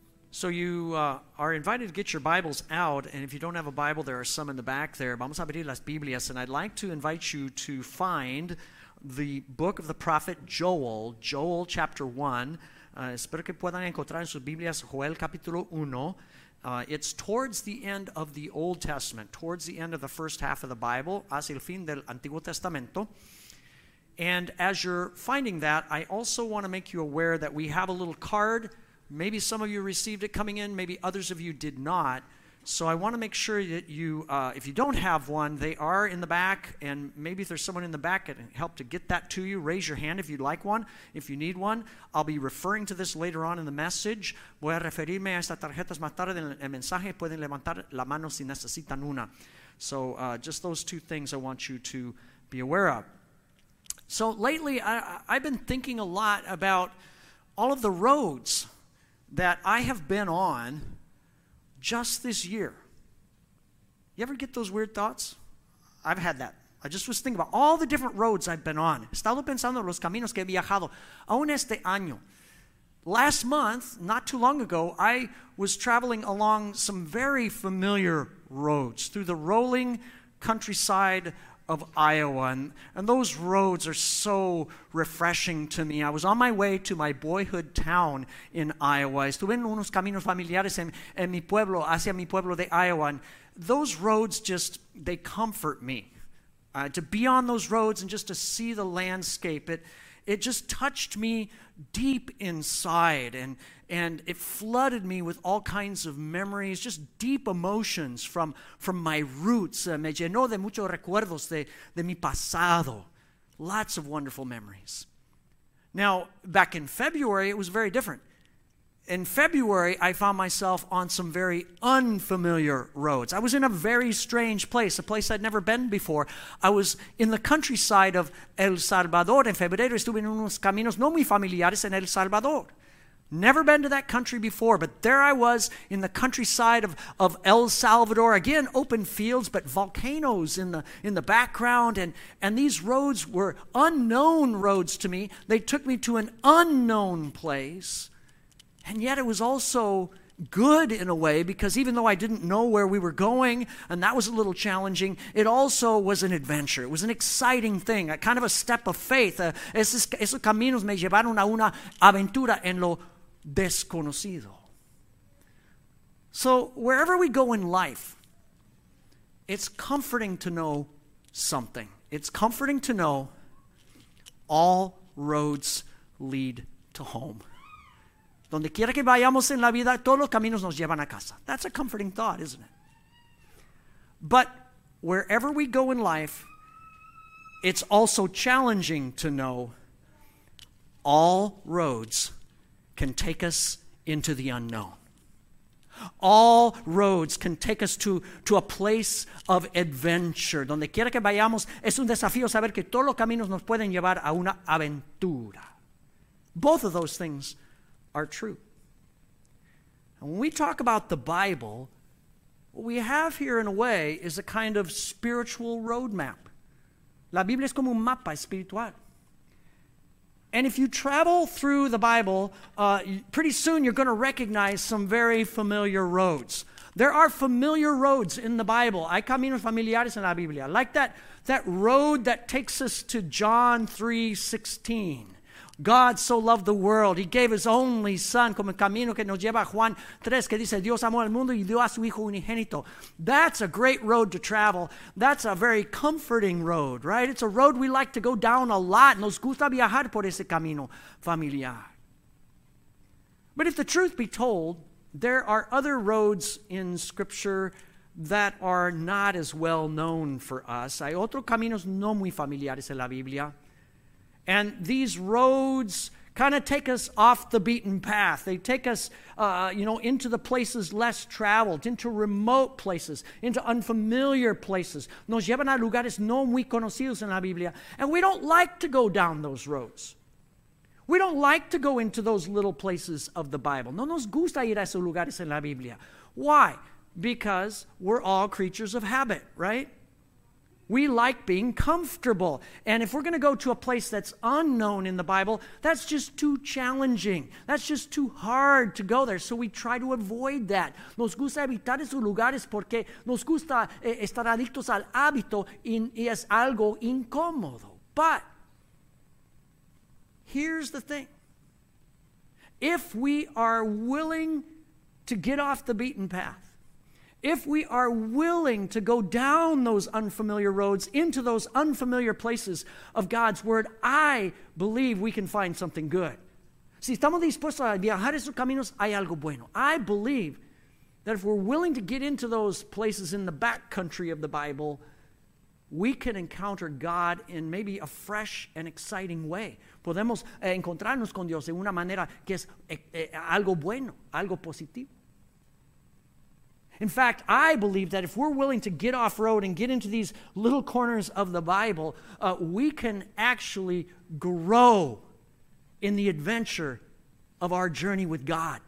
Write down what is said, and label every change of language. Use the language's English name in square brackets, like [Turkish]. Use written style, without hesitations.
[English] So you are invited to get your Bibles out, and if you don't have a Bible, there are some in the back there. [Spanish] Vamos a abrir las Biblias, [English] and I'd like to invite you to find the book of the prophet Joel, Joel chapter 1. [Spanish] Espero que puedan encontrar en sus Biblias Joel capítulo 1. [English] It's towards the end of the Old Testament, towards the end of the first half of the Bible, [Spanish] hacia el fin del Antiguo Testamento. [English] And as you're finding that, I also want to make you aware that we have a little card. Maybe some of you received it coming in, maybe others of you did not. So I want to make sure that you, if you don't have one, they are in the back, and maybe if there's someone in the back that can help to get that to you, raise your hand if you'd like one, if you need one. I'll be referring to this later on in the message. [Spanish] Voy a referirme a estas tarjetas más tarde en el mensaje. Pueden levantar la mano si necesitan una. [English] So just those two things I want you to be aware of. So lately, I've been thinking a lot about all of the roads that I have been on just this year. You ever get those weird thoughts? I've had that. I just was thinking about all the different roads I've been on. [Spanish] Estaba pensando en los caminos que he viajado aún este año. [English] Last month, not too long ago, I was traveling along some very familiar roads through the rolling countryside of Iowa, and those roads are so refreshing to me. I was on my way to my boyhood town in Iowa. [Spanish] Estuve en unos caminos familiares en mi pueblo, hacia mi pueblo de Iowa. [English] And those roads just, they comfort me. To be on those roads and just to see the landscape, it just touched me deep inside, and it flooded me with all kinds of memories, just deep emotions from my roots. [Spanish] Me llenó de muchos recuerdos de mi pasado. [English] Lots of wonderful memories. Now, back in February, it was very different. In February, I found myself on some very unfamiliar roads. I was in a very strange place, a place I'd never been before. I was in the countryside of El Salvador. [Spanish] En febrero estuve en unos caminos no muy familiares en El Salvador. [English] Never been to that country before, but there I was in the countryside of El Salvador. Again, open fields, but volcanoes in the background. And these roads were unknown roads to me. They took me to an unknown place. And yet it was also good in a way, because even though I didn't know where we were going, and that was a little challenging, it also was an adventure. It was an exciting thing, a kind of a step of faith. [Spanish] Esos caminos me llevaron a una aventura en lo desconocido. [English] So wherever we go in life, it's comforting to know something. It's comforting to know all roads lead to home. [Spanish] Donde quiera que vayamos en la vida, todos los caminos nos llevan a casa. [English] That's a comforting thought, isn't it? But wherever we go in life, it's also challenging to know all roads can take us into the unknown. All roads can take us to a place of adventure. [Spanish] Donde quiera que vayamos, es un desafío saber que todos los caminos nos pueden llevar a una aventura. [English] Both of those things are true. And when we talk about the Bible, what we have here in a way is a kind of spiritual roadmap. [Spanish] La Biblia es como un mapa espiritual. [English] And if you travel through the Bible, pretty soon you're going to recognize some very familiar roads. There are familiar roads in the Bible. [Spanish] Hay caminos familiares en la Biblia. [English] Like that road that takes us to John 3:16. God so loved the world, he gave his only son, [Spanish] como el camino que nos lleva a Juan 3, que dice, Dios amó al mundo y dio a su hijo unigénito. [English] That's a great road to travel. That's a very comforting road, right? It's a road we like to go down a lot. [Spanish] Nos gusta viajar por ese camino familiar. [English] But if the truth be told, there are other roads in Scripture that are not as well known for us. [Spanish] Hay otros caminos no muy familiares en la Biblia. [English] And these roads kind of take us off the beaten path. They take us, into the places less traveled, into remote places, into unfamiliar places. [Spanish] Nos llevan a lugares no muy conocidos en la Biblia. [English] And we don't like to go down those roads. We don't like to go into those little places of the Bible. [Spanish] No nos gusta ir a esos lugares en la Biblia. [English] Why? Because we're all creatures of habit, right? We like being comfortable. And if we're going to go to a place that's unknown in the Bible, that's just too challenging. That's just too hard to go there. So we try to avoid that. [Spanish] Nos gusta evitar esos lugares porque nos gusta estar adictos al hábito y es algo incómodo. [English] But here's the thing. If we are willing to get off the beaten path, if we are willing to go down those unfamiliar roads into those unfamiliar places of God's word, I believe we can find something good. [Spanish] Si estamos dispuestos a viajar esos caminos, hay algo bueno. [English] I believe that if we're willing to get into those places in the back country of the Bible, we can encounter God in maybe a fresh and exciting way. [Spanish] Podemos encontrarnos con Dios de una manera que es algo bueno, algo positivo. [English] In fact, I believe that if we're willing to get off road and get into these little corners of the Bible, we can actually grow in the adventure of our journey with God.